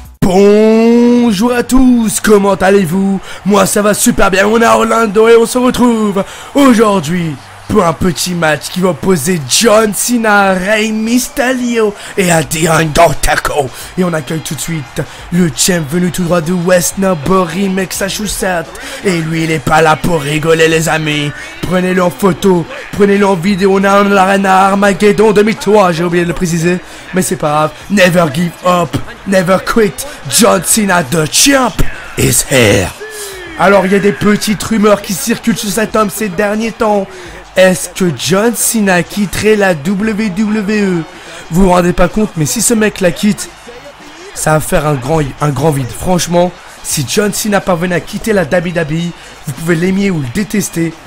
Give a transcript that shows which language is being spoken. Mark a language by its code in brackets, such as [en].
[fr] Bonjour à tous, comment allez-vous? Moi ça va super bien, on est à Orlando et on se retrouve aujourd'hui pour un petit match qui va opposer John Cena, Rey Mysterio et The Undertaker. Et on accueille tout de suite le champ venu tout droit de West Norbury, Massachusetts. Et lui, il est pas là pour rigoler, les amis. Prenez-le en photo, prenez-le en vidéo. On a un arena Armageddon 2003, j'ai oublié de le préciser. Mais c'est pas grave, [en] never give up, never quit. John Cena, the champ, is here. [fr] Alors, il y a des petites rumeurs qui circulent sur cet homme ces derniers temps. Est-ce que John Cena quitterait la WWE? Vous vous rendez pas compte, mais si ce mec la quitte, ça va faire un grand vide. Franchement, si John Cena parvenait à quitter la WWE, vous pouvez l'aimer ou le détester.